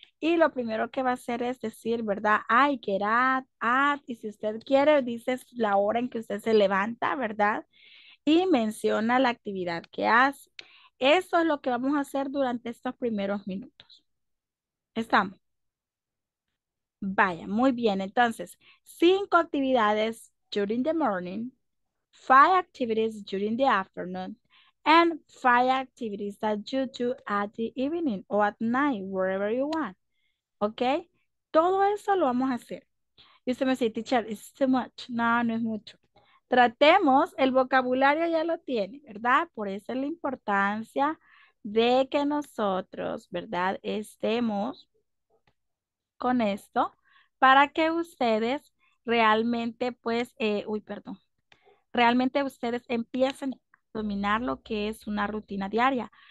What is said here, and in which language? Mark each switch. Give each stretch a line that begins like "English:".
Spanish: Y lo primero que va a hacer es decir, ¿verdad? Ay,
English: get up, up.
Spanish: Y si usted quiere, dice la hora en que usted se levanta, ¿verdad? Y menciona la actividad que hace. Eso es lo que vamos a hacer durante estos primeros minutos. ¿Estamos? Vaya, muy bien. Entonces, 5 actividades
English: during the morning, 5 activities during the afternoon, and 5 activities that you do at the evening or at night, wherever you want. ¿Ok?
Spanish: Todo eso lo vamos a hacer. Y usted me dice, teacher,
English: it's too much.
Spanish: No, no es mucho. Tratemos, el vocabulario ya lo tiene, ¿verdad? Por eso es la importancia de que nosotros, ¿verdad? Estemos con esto para que ustedes realmente, pues, uy, perdón, realmente ustedes empiecen a dominar lo que es una rutina diaria.